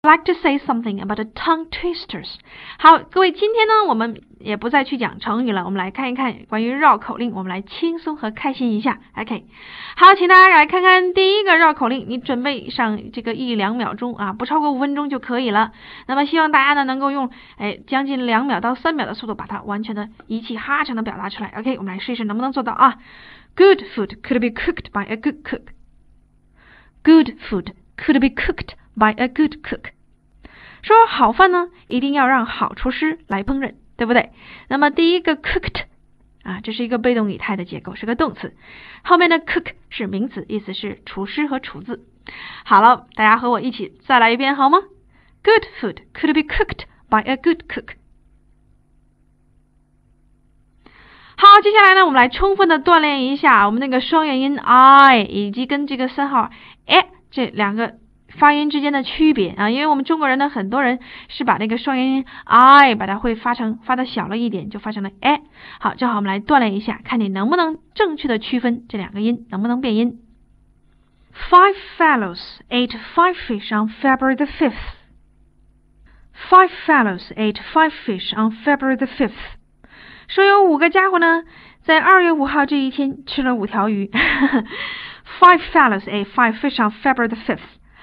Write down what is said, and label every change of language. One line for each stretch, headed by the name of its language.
English: like to say something about the tongue twisters.
Chinese: 好，各位，今天呢，我们也不再去讲成语了，我们来看一看关于绕口令，我们来轻松和开心一下。 OK， 好，请大家来看看第一个绕口令，你准备上这个一两秒钟啊，不超过五分钟就可以了。那么希望大家呢能够用将近两秒到三秒的速度把它完全的一气哈成的表达出来。 OK， 我们来试一试能不能做到啊。
English: Good food could be cooked by a good cook. Good food could be cooked. By a good cook，
Chinese: 说好饭呢，一定要让好厨师来烹饪，对不对？那么第一个 cooked 啊，这是一个被动语态的结构，是个动词。后面的 cook 是名词，意思是厨师和厨子。好了，大家和我一起再来一遍好吗 ？
English: Good food could be cooked by a good cook。
Chinese: 好，接下来呢，我们来充分的锻炼一下我们那个双元音 i 以及跟这个三号 a 这两个。发音之间的区别啊，因为我们中国人呢，很多人是把那个双元音 i 把它会发的小了一点，就发成了 a。好，正好我们来锻炼一下，看你能不能正确的区分这两个音，能不能变音。
English: Five fellows ate five fish on February the 5th. Five fellows ate five fish on February the 5th.
Chinese: 说有五个家伙呢，在二月五号这一天吃了五条鱼。
English: Five fellows ate five fish on February the 5th.